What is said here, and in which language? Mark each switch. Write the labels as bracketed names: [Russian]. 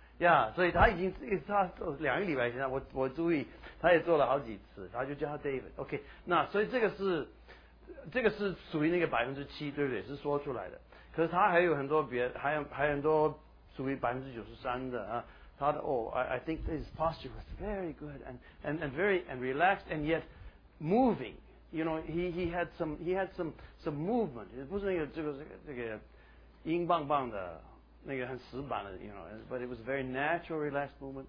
[Chinese] 呀、yeah, ，所以他已经他两个礼拜前，我注意他也做了好几次，他就叫他 David。 OK， 那所以这个是属于那个7%，对不对？是说出来的。可是他还有很多别，还有很多属于93%的啊。他的哦 [English] ，I think his posture was very good and very and relaxed and yet moving. You know, he had some movement. [Chinese] 不是那个这个硬棒棒的。那个很死板的 [English] ，you know，but it was a very natural, relaxed movement.